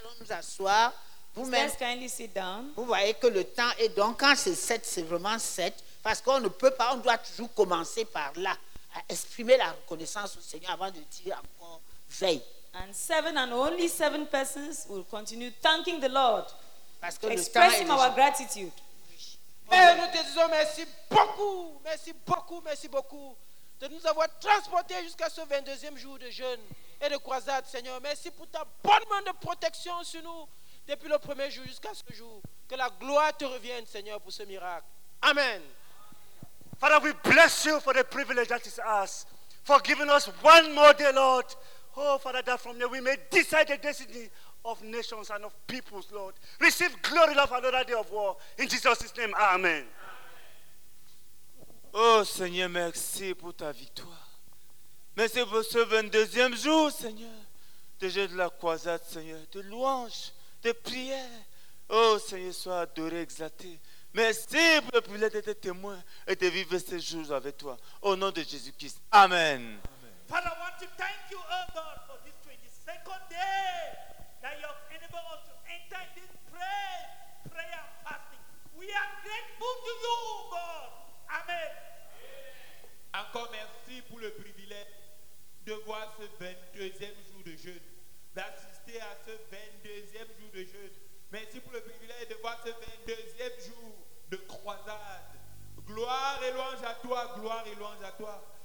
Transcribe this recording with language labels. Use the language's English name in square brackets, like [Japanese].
[French] Asseoir. [English] Please kindly sit down. [French] Vous voyez que le temps est donc quand c'est 7, c'est vraiment 7. Parce qu'on ne peut pas, on doit toujours commencer par là, à exprimer la reconnaissance au Seigneur avant de dire encore veille. [English] And seven and only seven persons will continue thanking the Lord. [French] Parce que le temps est déjà... [English] our gratitude. [French] Père, nous te disons merci beaucoup, merci beaucoup, merci beaucoup de nous avoir transportés jusqu'à ce 22e jour de jeûne et de croisade, Seigneur. Merci pour ta bonne main de protection sur nous depuis le premier jour jusqu'à ce jour. Que la gloire te revienne, Seigneur, pour ce miracle. Amen. [English] Father, we bless you for the privilege that is ours, for giving us one more day, Lord. Oh, Father, that from there we may decide the destiny of nations and of peoples, Lord. Receive glory, Lord, for another day of war. In Jesus' name, amen. Amen. [French] Oh, Seigneur, merci pour ta victoire. Merci pour ce 22e jour, Seigneur, de jeu de la croisade, Seigneur, de louanges, de prières. Oh, Seigneur, sois adoré, exalté. Merci pour le privilège d'être témoin et de vivre ces jours avec toi. Au nom de Jésus-Christ. Amen. [English] Father, I want to thank you, oh God, for this 22nd day that you have enabled us to enter in this prayer and fasting. We are grateful to you, oh God. Amen. [French] Encore merci pour le privilège de voir ce 22e jour de jeûne, d'assister à ce 22e jour de jeûne. Merci pour le privilège de voir ce 22e jour de croisade. Gloire et louange à toi, gloire et louange à toi.